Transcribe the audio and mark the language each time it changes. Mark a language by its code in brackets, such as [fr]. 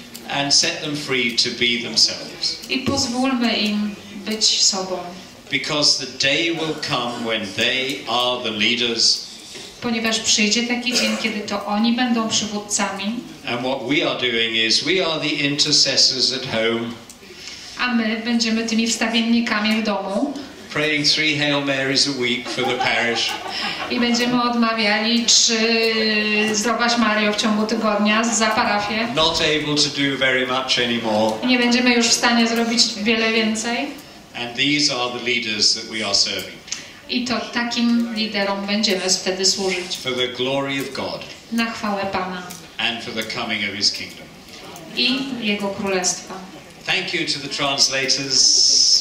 [en] And set them free to be themselves. [pl] I pozwólmy im być sobą. [en] Because the day will come when they are the leaders. [pl] Ponieważ przyjdzie taki dzień, kiedy to oni będą przywódcami. [en] And what we are doing is we are the intercessors at home. [pl] A my będziemy tymi wstawiennikami w domu. [en] Praying 3 Hail Marys a week for the parish. [pl] I będziemy odmawiali 3 Zdrowaś Mario w ciągu tygodnia za parafię. [en] Not able to do very much anymore. [pl] I nie będziemy już w stanie zrobić wiele więcej. [en] And these are the leaders that we are serving. [pl] I to takim liderom będziemy wtedy służyć. [en] For the glory of God. [pl] Na chwałę Pana. [en] And for the coming of His kingdom. [pl] I Jego Królestwa. [en] Thank you to the translators.